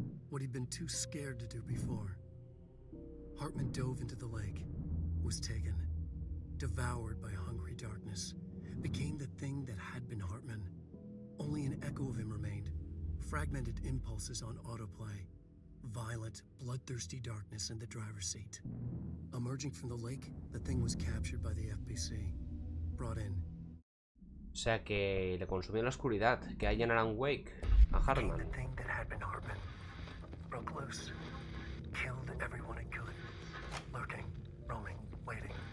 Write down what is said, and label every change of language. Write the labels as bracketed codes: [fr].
[en] What he'd been too scared to do before. Hartman dove into the lake, was taken, devoured by hungry darkness, became the thing that had been Hartman. Only an echo of him remained, fragmented impulses on autoplay, violent, bloodthirsty darkness in the driver's seat. Emerging from the lake, the thing was captured by the FBC, brought in. [es] O sea que le consumió la oscuridad, que hay en Alan Wake, a Hartman. [en] The thing that had been Hartman broke loose, killed everyone it could, lurking, roaming, waiting.